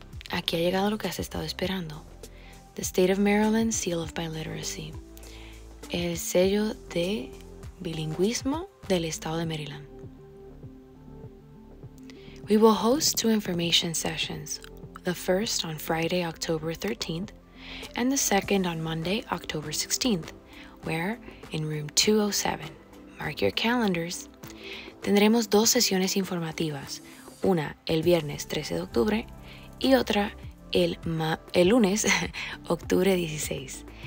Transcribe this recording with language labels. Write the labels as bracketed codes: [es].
[es] Aquí ha llegado lo que has estado esperando. The State of Maryland Seal of Biliteracy. El sello de bilingüismo del Estado de Maryland. [en] We will host two information sessions, the first on Friday, October 13th, and the second on Monday, October 16th, where in room 207. Mark your calendars. [es] Tendremos dos sesiones informativas, una el viernes 13 de octubre y otra el lunes, octubre 16.